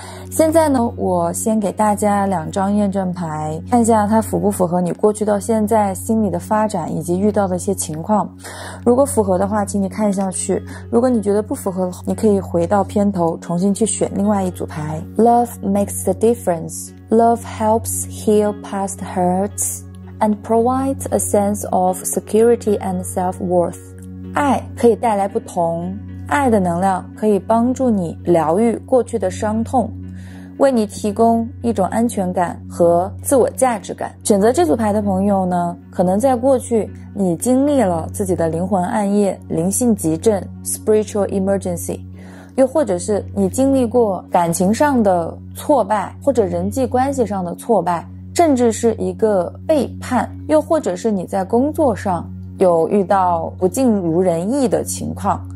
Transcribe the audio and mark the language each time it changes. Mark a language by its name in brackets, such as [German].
[Chinese] 现在呢，我先给大家两张验证牌，看一下它符不符合你过去到现在心理的发展以及遇到的一些情况。如果符合的话，请你看下去，如果你觉得不符合，你可以回到片头重新去选另外一组牌。 [English] Love makes the difference. Love helps heal past hurts and provides a sense of security and self-worth. [Chinese] 爱可以带来不同，爱的能量可以帮助你疗愈过去的伤痛，为你提供一种安全感和自我价值感。选择这组牌的朋友呢，可能在过去你经历了自己的灵魂暗夜、灵性急症 spiritual emergency， 又或者是你经历过感情上的挫败，或者人际关系上的挫败，甚至是一个背叛，又或者是你在工作上有遇到不尽如人意的情况。